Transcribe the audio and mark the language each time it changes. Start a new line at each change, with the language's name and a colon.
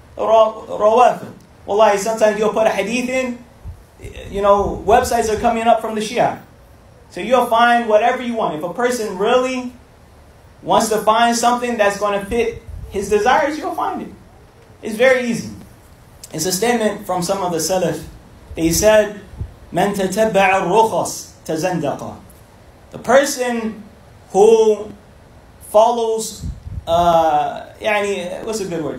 English: Rawafid. Wallah, sometimes you'll put a hadith in, you know, websites are coming up from the Shia. So you'll find whatever you want. If a person really wants to find something that's going to fit his desires, you'll find it. It's very easy. It's a statement from some of the Salaf. They said,
Arabic: مَن تَتَبَّعَ الرُّخَصْ تَزَنْدَقَ.
English: The person who follows, يعني, what's a good word?